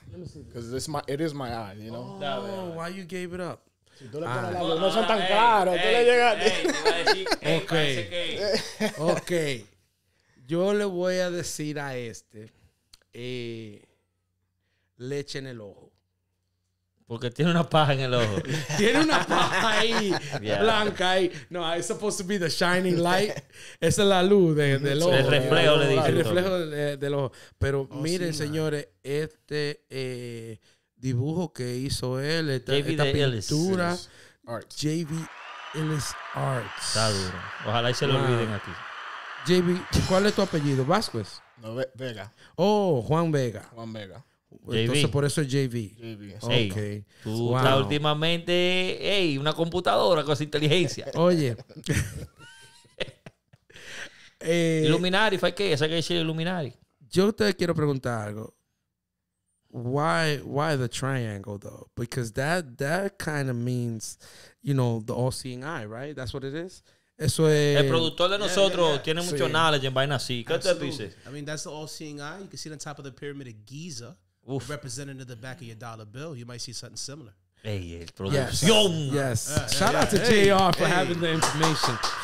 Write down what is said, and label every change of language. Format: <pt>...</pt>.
<en>Because it's my, it is my eye, you know? Oh, why you gave it up?</en> <es>Si tú le pones la luz, no son tan caros. Tú le llegas.</es> <en>Okay. Okay.</en> <es>Yo le voy a decir a este, leche en el ojo. Porque tiene una paja en el ojo. Tiene una paja ahí, yeah, blanca ahí.</es> <en>No, it's supposed to be the shining light.</en> <es>Esa es la luz del ojo. El reflejo, le dije. El reflejo del ojo. Pero oh, miren, sí, señores, man, este dibujo que hizo él, esta pintura.</es> <en>JB Ellis Arts.</en> <es>Está duro. Ojalá y se lo olviden aquí. JB, ¿cuál es tu apellido? ¿Vázquez? No, Vega. Oh, Juan Vega. Juan Vega. Entonces, JV. Por eso es JV.</es> <en>JV. Hey, ok.</en> <es>Tú estás últimamente, hey, una computadora con esa inteligencia. Oye. Illuminati, ¿fue qué? ¿Esa que dice Illuminati? Yo te quiero preguntar algo.</es> <en>Why the triangle, though? Because that kind of means, you know, the all-seeing eye, right? That's what it is.</en> <es>Eso es... El productor de nosotros tiene mucho knowledge en vainas así. ¿Qué te dice?</es> <en>I mean, that's the all-seeing eye. You can see it on top of the pyramid of Giza. Oof. Representative of the back of your dollar bill, you might see something similar.</en> <es>Hey, el producción.</es> <en>Yes. Shout out to JR for having the information.</en>